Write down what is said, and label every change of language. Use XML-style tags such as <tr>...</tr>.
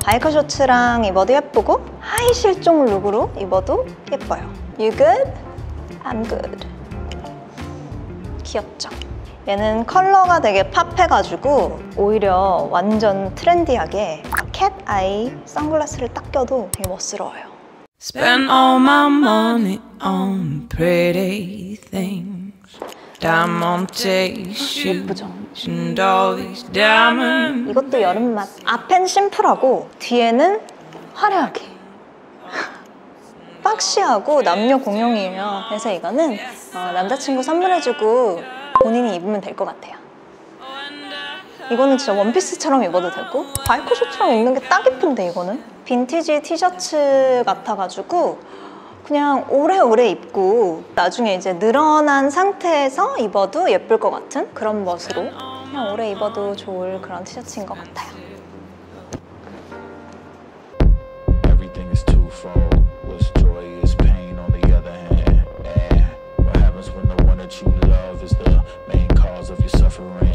<ko>바이커 셔츠랑 입어도 예쁘고 하이 실종 룩으로 입어도 예뻐요.</ko> <en>You good? I'm good.</en> <ko>귀엽죠? 얘는 컬러가 되게 팝해가지고 오히려 완전 트렌디하게 캣 아이 선글라스를 딱 껴도 되게 멋스러워요.</ko> <en>Spend all my money on pretty things. Diamond shoes.</en> <ko>예쁘죠?</ko> <en>And all these diamonds.</en> <ko>이것도 여름 맛. 앞엔 심플하고 뒤에는 화려하게. 박시하고 남녀 공용이에요. 그래서 이거는 남자친구 선물해주고 본인이 입으면 될 것 같아요. 이거는 진짜 원피스처럼 입어도 되고 바이크숏처럼 입는 게 딱 예쁜데 이거는 빈티지 티셔츠 같아가지고 그냥 오래오래 입고 나중에 이제 늘어난 상태에서 입어도 예쁠 것 같은 그런 멋으로 그냥 오래 입어도 좋을 그런 티셔츠인 것 같아요.</ko> <en>Everything is too far. What's joy is pain on the other hand. What happens when the one that you love is the main cause of your suffering.</en>